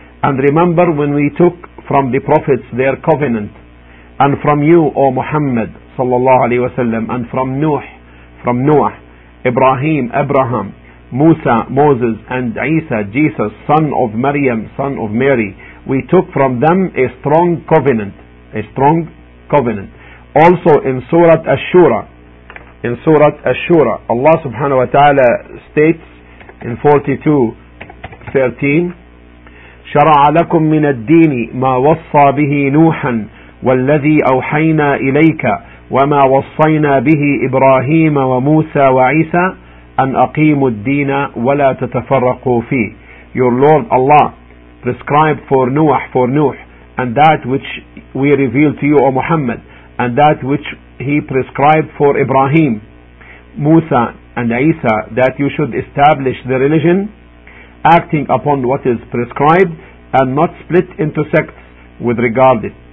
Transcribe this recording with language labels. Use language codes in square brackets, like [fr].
[en] And remember when we took from the prophets their covenant, and from you, O Muhammad sallallahu alayhi wa sallam, and from Nuh, from Noah, Ibrahim, Abraham, Musa, Moses, and Isa, Jesus, son of Maryam, son of Mary, we took from them a strong covenant, a strong covenant. Also in Surah Ash-Shura, in Surah Ash-Shura, Allah subhanahu wa ta'ala states in 42:13, [ar] شرع لكم من الدين ما وصى به نوحا والذي أوحينا إليك وما وصينا به إبراهيم وموسى وعيسى أن أقيموا الدين ولا تتفرقوا فيه. [en] Your Lord Allah prescribed for Nuh, for Nuh, and that which we revealed to you, O Muhammad, and that which he prescribed for Ibrahim, Musa, and Isa, that you should establish the religion acting upon what is prescribed and not split into sects with regard it.